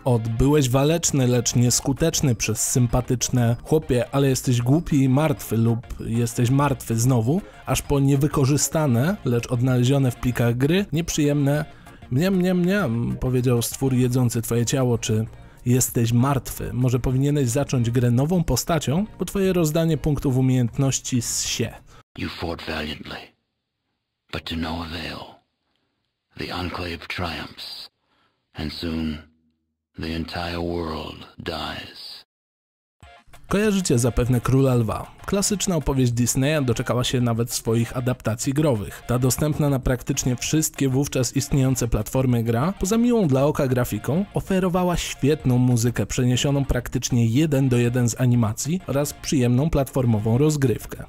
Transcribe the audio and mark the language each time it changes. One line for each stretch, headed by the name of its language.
Polish: Od byłeś waleczny, lecz nieskuteczny przez sympatyczne chłopie, ale jesteś głupi i martwy lub jesteś martwy znowu, aż po niewykorzystane, lecz odnalezione w plikach gry, nieprzyjemne mniam, powiedział stwór jedzący twoje ciało, czy jesteś martwy, może powinieneś zacząć grę nową postacią, bo twoje rozdanie punktów umiejętności zsie.
English: You fought valiantly, but to no avail. The Enclave triumphs, and soon the entire world dies.
Polish: Kojarzycie zapewne Króla Lwa. Klasyczna opowieść Disneya doczekała się nawet swoich adaptacji growych. Ta dostępna na praktycznie wszystkie wówczas istniejące platformy gra, poza miłą dla oka grafiką, oferowała świetną muzykę przeniesioną praktycznie 1:1 z animacji oraz przyjemną platformową rozgrywkę.